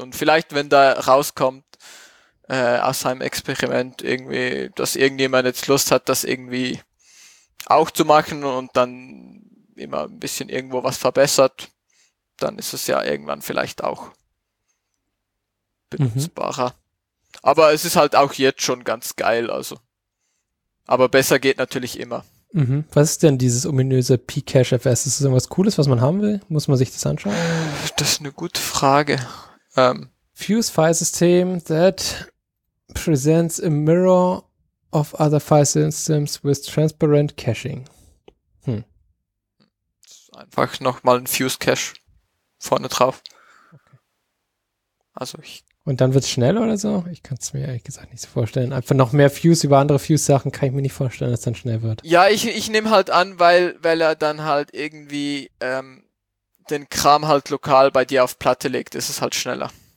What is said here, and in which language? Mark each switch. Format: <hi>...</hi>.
<de>Und vielleicht, wenn da rauskommt aus seinem Experiment irgendwie, dass irgendjemand jetzt Lust hat, das irgendwie auch zu machen und dann immer ein bisschen irgendwo was verbessert, dann ist es ja irgendwann vielleicht auch benutzbarer. Mhm. Aber es ist halt auch jetzt schon ganz geil, also. Aber besser geht natürlich immer. Mhm. Was ist denn dieses ominöse pcachefs? Ist das irgendwas Cooles, was man haben will? Muss man sich das anschauen? Das ist eine gute Frage.</de> <en>Fuse file system that presents a mirror of other file systems with transparent caching. Hm.</en> <de>Einfach nochmal ein Fuse-Cache vorne drauf. Okay. Also ich. Und dann wird es schnell oder so? Ich kann es mir ehrlich gesagt nicht so vorstellen. Einfach noch mehr Fuse über andere Fuse-Sachen kann ich mir nicht vorstellen, dass es dann schnell wird. Ja, ich nehme halt an, weil er dann halt irgendwie den Kram halt lokal bei dir auf Platte legt, ist es halt schneller.</de>